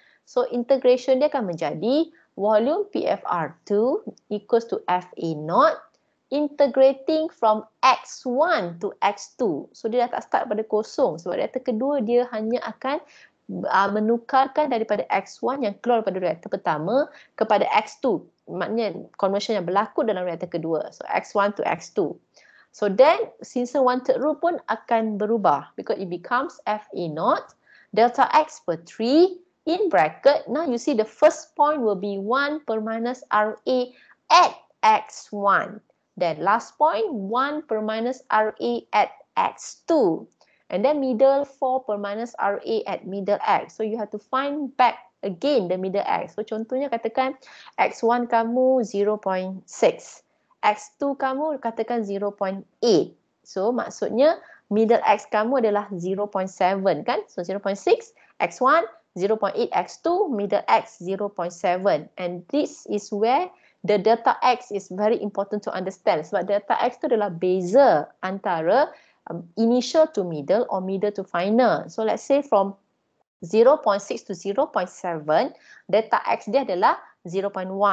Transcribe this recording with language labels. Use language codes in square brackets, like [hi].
[en] So integration [ms] dia akan menjadi [en] volume PFR2 equals to FA0 integrating from X1 to X2. [ms] So dia dah tak start pada kosong sebab reaktor kedua dia hanya akan menukarkan daripada X1 yang keluar daripada reaktor pertama kepada X2. Maknanya conversion yang berlaku dalam reaktor kedua. So X1 to X2. [en] So then, Simpson one third rule [ms] pun akan berubah [en] because it becomes FA naught delta X per 3 in bracket. Now you see the first point will be 1 per minus RA at X1. Then last point, 1 per minus RA at X2. And then middle 4 per minus RA at middle X. So you have to find back again the middle X. [ms] So contohnya katakan X1 kamu 0.6. X2 kamu katakan 0.8. So maksudnya middle X kamu adalah 0.7 kan? [en] So 0.6, X1, 0.8, X2, middle X 0.7. And this is where the delta X is very important to understand. [ms] Sebab delta X tu adalah beza antara [en] initial to middle or middle to final. So let's say from 0.6 to 0.7, delta X [ms] dia adalah [en] 0.1.